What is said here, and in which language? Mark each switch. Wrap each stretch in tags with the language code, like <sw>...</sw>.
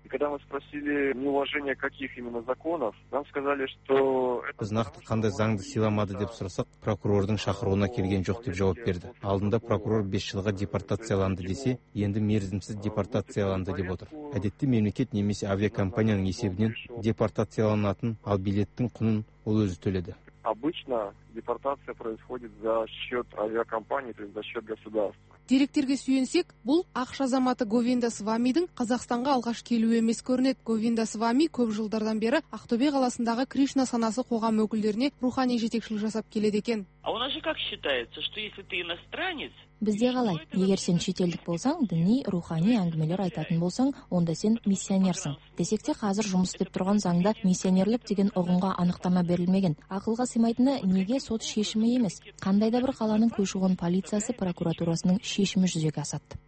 <kk>Біз нақты қандай заңды сыйламады деп сұрасақ, прокурордың шақыруына келген жоқ деп жауап берді. Алдында прокурор 5 жылға депортацияланды десе, енді мерзімсіз депортацияланды деп отыр. Әдетте мемлекет немесе авиакомпанияның есебінен депортацияланатын, ал билеттің құнын ол өзі төледі.</kk> <ru>Обычно депортация происходит за счет авиакомпании, то есть за счет государства.</ru> <kk>Деректерге сүйенсек, бұл ақша заматы Говинда Свамидің Қазақстанға алғаш келуі емес көрінеді. Говинда Свами көп жылдардан бері Ақтөбе қаласындағы Кришна санасы қоғам өкілдеріне рухани жетекшілік жасап келеді екен.</kk> <ru>А у нас же как считается, что если ты иностранец,</ru> <kk>бізде қалай, егер сен шетелдік болсаң, діни, рухани әңгімелер айтатын болсаң, онда сен миссионерсің. Десек те қазір жұмыс істеп тұрған заңда миссионерлік деген ұғымға анықтама берілмеген. Ақылға сыймайтыны неге сот шешімі емес? Қандай да бір қаланың көші-қон полициясы прокуратурасының шешімі жүзеге асады.</kk>